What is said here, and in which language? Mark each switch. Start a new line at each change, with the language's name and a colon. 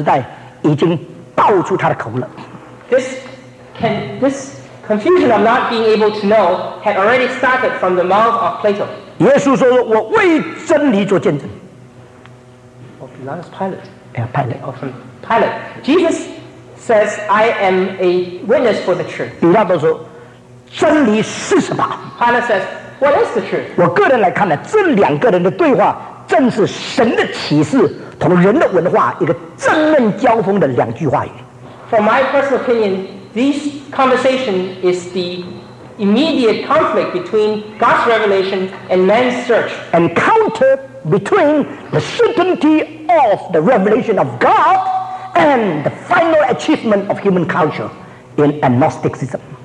Chinese: 这个不可知论的产生，是在比拉多的时代已经爆出他的口了。
English: This can this confusion of not being able to know had already started from the mouth of Plato.
Chinese: 耶稣说：“我为真理做见证。”
English: Oh, Pilate is Pilate. Yeah, Pilate. Oh, from Pilate. Jesus says, "I am a witness for the truth."
Chinese: 比拉多说：“真理是什么？”Pilate
English: says. What is the truth?
Chinese: 我个人来看呢，这两个人的对话正是神的启示同人的文化一个正面交锋的两句话语。
English: From my personal opinion, this conversation is the immediate conflict between God's revelation and man's search. Encounter between the certainty of the revelation of God and the final achievement of human culture in agnosticism.